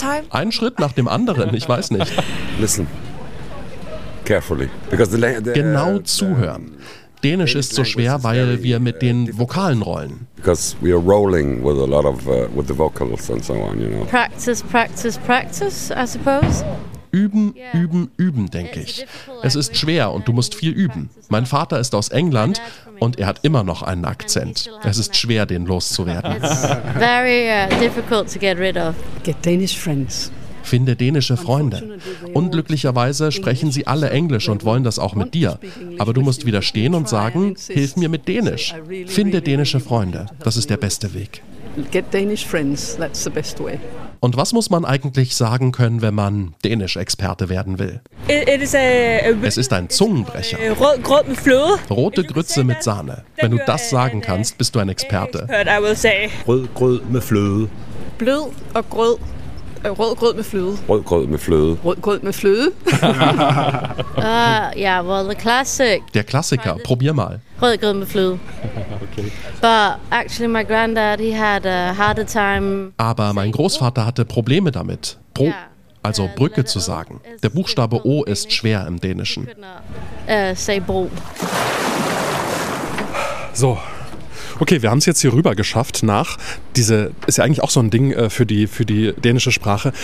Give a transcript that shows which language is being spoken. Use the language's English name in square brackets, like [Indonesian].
[German] Ein Schritt nach dem anderen, ich weiß nicht. [English] Listen carefully. [German] Genau zuhören. Dänisch ist so schwer, weil wir mit den Vokalen rollen. [English] Because we are rolling with a lot of with the vocals and so on, you know. Practice, practice, practice, I suppose. [German] Üben, üben, üben, denke ich. Es ist schwer und du musst viel üben. Mein Vater ist aus England und er hat immer noch einen Akzent. Es ist schwer, den loszuwerden. [English] Very difficult to get rid of. Get Danish friends. [German] Finde dänische Freunde. Unglücklicherweise sprechen sie alle Englisch und wollen das auch mit dir. Aber du musst widerstehen und sagen, hilf mir mit Dänisch. Finde dänische Freunde, das ist der beste Weg. [English] Get Danish friends, that's the best way. [German] Und was muss man eigentlich sagen können, wenn man Dänisch-Experte werden will? Es ist ein Zungenbrecher. Rote Grütze mit Sahne. Wenn du das sagen kannst, bist du ein Experte. [Danish] Grød med fløde. Blød og grød. Rødgrød med fløde. Rødgrød med fløde. Rødgrød med fløde. [English] Yeah, well, the classic. [German] Der Klassiker. Probier mal. [Danish] Rødgrød med fløde. Okay. [English] But actually my granddad, he had a harder time. [German] Aber mein Großvater hatte Probleme damit. Also Brücke zu sagen. Der Buchstabe O ist schwer im Dänischen. [English] Say bro. So. [German] Okay, wir haben es jetzt hier rüber geschafft nach diese, ist ja eigentlich auch so ein Ding für die dänische Sprache.